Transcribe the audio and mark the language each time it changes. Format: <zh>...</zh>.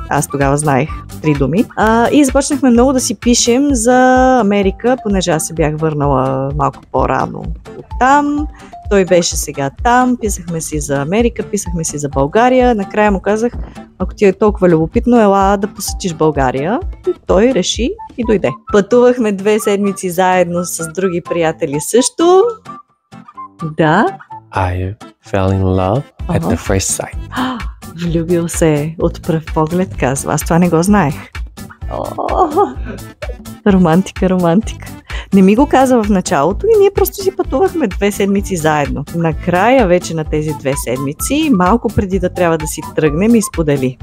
<bg>Аз тогава знаех три думи. И започнахме много да си пишем за Америка, понеже аз се бях върнала малко по-рано от там. Той беше сега там, писахме си за Америка, писахме си за България. Накрая му казах, ако ти е толкова любопитно, ела да посетиш България. И той реши и дойде. Пътувахме две седмици заедно с други приятели също. Да.</bg> <en>I fell in love at the first sight.</en> <bg>Влюбил се от пръв поглед, казва. Аз това не го знаех. Романтика, романтика. Не ми го каза в началото и ние просто си пътувахме две седмици заедно. Накрая вече на тези две седмици, малко преди да трябва да си тръгнем, ми сподели.</bg>